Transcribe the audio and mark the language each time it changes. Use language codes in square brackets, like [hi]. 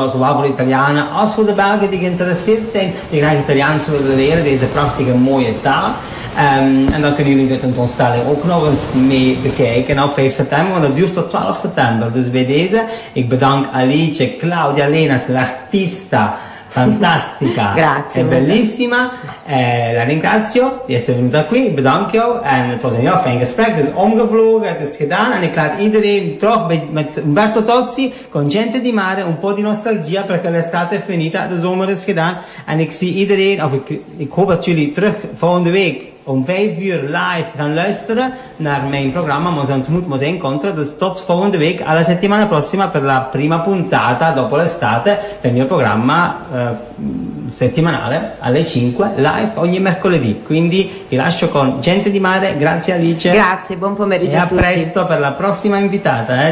[nl] Vooral zowel voor de Italianen als voor de Belgen die geïnteresseerd zijn. Die graag Italiaans willen leren, deze prachtige mooie taal. En dan kunnen jullie de tentoonstelling ook nog eens mee bekijken op 5 september, want dat duurt tot 12 september. Dus bij deze, ik bedank Alice, Claudia Lenas, [it] l'artista fantastica grazie, e bellissima. La ringrazio di essere venuta qui, [nl] bedank jou. En het was een heel fijn gesprek, het is omgevlogen, het is gedaan. En ik laat iedereen terug met Umberto Tozzi, [it] con Gente di Mare, un po' di nostalgia, perché l'estate è finita, [nl] de zomer is gedaan. En ik zie iedereen, of ik hoop dat jullie terug volgende week om 5 uur live gaan luisteren naar mijn programma Mose Ontmoet, Mose Incontra. Dus tot volgende week, [it] alla settimana prossima, per la prima puntata dopo l'estate del mio programma settimanale alle 5 live ogni mercoledì. Quindi vi lascio con Gente di Mare, grazie Alice. Grazie, buon pomeriggio e a tutti. E a presto per la prossima invitata.